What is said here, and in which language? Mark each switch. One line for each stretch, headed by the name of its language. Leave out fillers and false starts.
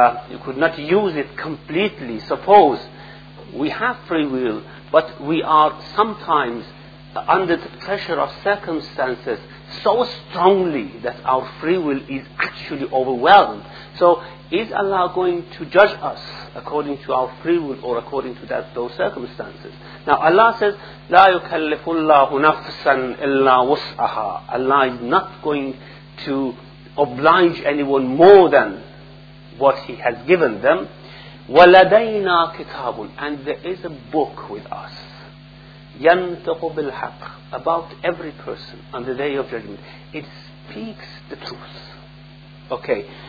English: You could not use it completely. Suppose we have free will, but we are sometimes under the pressure of circumstances so strongly that our free will is actually overwhelmed. So is Allah going to judge us according to our free will or according to those circumstances? Now Allah says,
Arabic: لا يكلف الله نفسا إلا وسعها.
English: Allah is not going to oblige anyone more than what He has given them.
Arabic: وَلَدَيْنَا كِتَابٌ.
English: And there is a book with us.
Arabic: يَنْتَقُ بِالْحَقِّ.
English: About every person on the day of judgment. It speaks the truth. Okay.